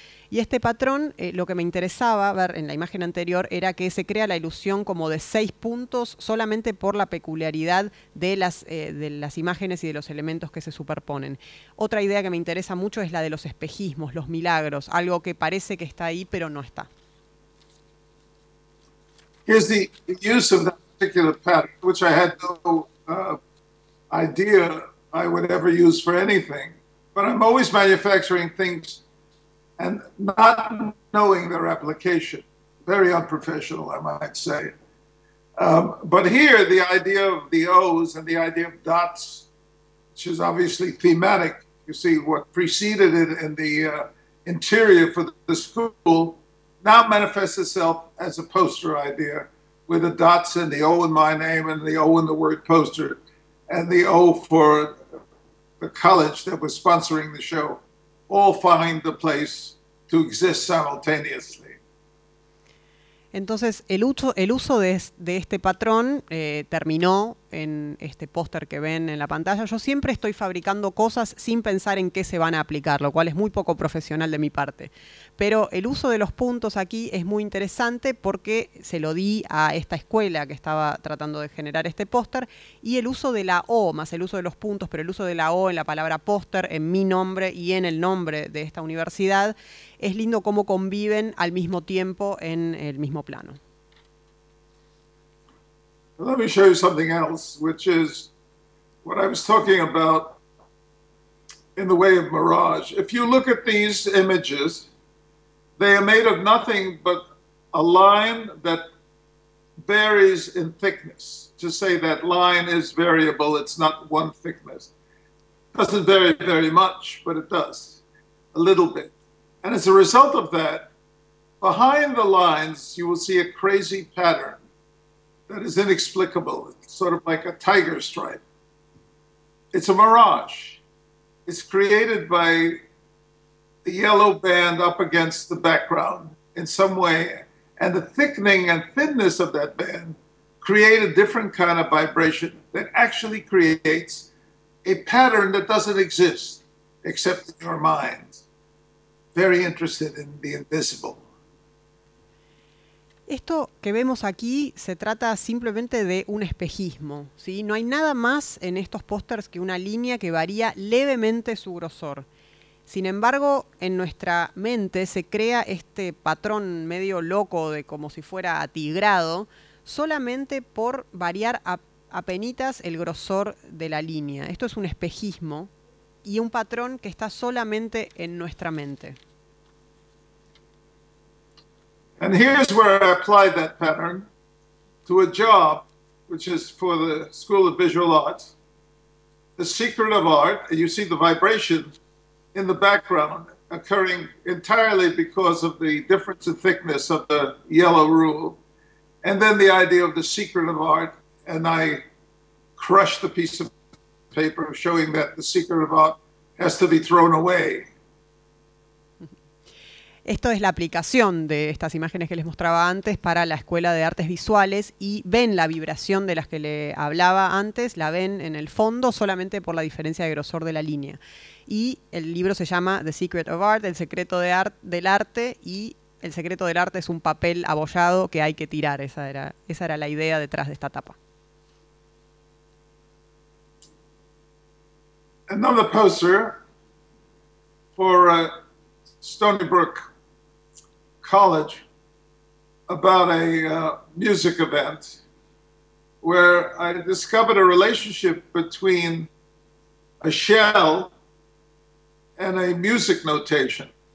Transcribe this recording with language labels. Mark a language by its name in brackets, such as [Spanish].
[Spanish] Y este patrón, lo que me interesaba ver en la imagen anterior era que se crea la ilusión como de seis puntos solamente por la peculiaridad de las imágenes y de los elementos que se superponen. Otra idea que me interesa mucho es la de los espejismos, los milagros, algo que parece que está ahí, pero no está. [English] Here's the use of that particular pattern, which I had no idea I would ever use for anything, but I'm always manufacturing things and not knowing their application. Very unprofessional, I might say. But here, the idea of the O's and the idea of dots, which is obviously thematic. You see what preceded it in the interior for the school now manifests itself as a poster idea with the dots and the O in my name and the O in the word poster and the O for the college that was sponsoring the show all find the place to exist simultaneously. [Spanish] Entonces, el uso de este patrón terminó en este póster que ven en la pantalla. Yo siempre estoy fabricando cosas sin pensar en qué se van a aplicar, lo cual es muy poco profesional de mi parte. Pero el uso de los puntos aquí es muy interesante porque se lo di a esta escuela que estaba tratando de generar este póster, y el uso de la O, más el uso de los puntos, pero el uso de la O en la palabra póster, en mi nombre y en el nombre de esta universidad, es lindo cómo conviven al mismo tiempo en el mismo plano. [English] Let me show you something else, which is what I was talking about in the way of mirage. If you look at these images, they are made of nothing but a line that varies in thickness. To say that line is variable, it's not one thickness. It doesn't vary very much, but it does, a little bit. And as a result of that, behind the lines, you will see a crazy pattern that is inexplicable. It's sort of like a tiger stripe. It's a mirage. It's created by the yellow band up against the background in some way, and the thickening and thinness of that band create a different kind of vibration that actually creates a pattern that doesn't exist except in your mind. Very interested in the invisible. [Spanish] Esto que vemos aquí se trata simplemente de un espejismo, ¿sí? No hay nada más en estos pósters que una línea que varía levemente su grosor. Sin embargo, en nuestra mente se crea este patrón medio loco de como si fuera atigrado solamente por variar apenitas el grosor de la línea. Esto es un espejismo y un patrón que está solamente en nuestra mente. [English] And here's where I applied that pattern to a job, which is for the School of Visual Arts, The Secret of Art. You see the vibration in the background occurring entirely because of the difference in thickness of the yellow rule. And then the idea of The Secret of Art, and I crushed the piece of paper showing that The Secret of Art has to be thrown away. [Spanish] Esto es la aplicación de estas imágenes que les mostraba antes para la Escuela de Artes Visuales, y ven la vibración de las que le hablaba antes, la ven en el fondo solamente por la diferencia de grosor de la línea. Y el libro se llama The Secret of Art, el secreto de del arte, y el secreto del arte es un papel abollado que hay que tirar. Esa era la idea detrás de esta tapa. [English] Another poster for Stony Brook College about a music event where I discovered a relationship between a shell and a music notation.